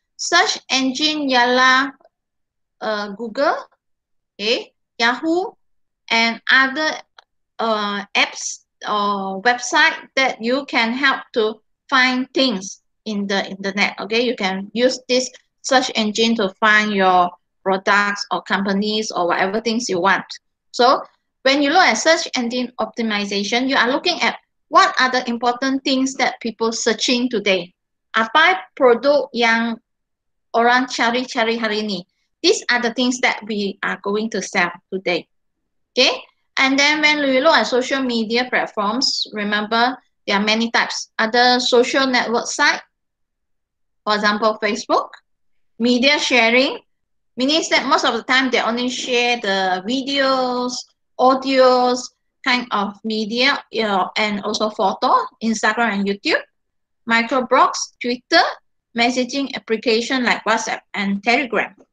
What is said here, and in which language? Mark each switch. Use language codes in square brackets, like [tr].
[en] Search engine [ms] ialah [en] Google, okay, Yahoo, and other apps or website that you can help to find things in the internet. Okay, you can use this search engine to find your products or companies or whatever things you want. So when you look at search engine optimization, you are looking at what are the important things that people searching today. [ms] Apa produk yang orang cari-cari hari ini. [en] These are the things that we are going to sell today. Okay, and then when we look at social media platforms, remember there are many types. Other social network site, for example, Facebook, media sharing, means that most of the time they only share the videos, audios, kind of media, you know, and also photo, Instagram and YouTube, microblogs, Twitter, messaging application like WhatsApp and Telegram.